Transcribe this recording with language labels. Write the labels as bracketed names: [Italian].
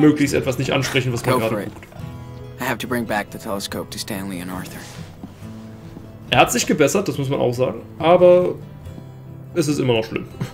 [German] möglichst etwas nicht ansprechen, was man gerade guckt. [English] I have to bring back the telescope to Stanley and Arthur. [German] Er hat sich gebessert, das muss man auch sagen, aber es ist immer noch schlimm.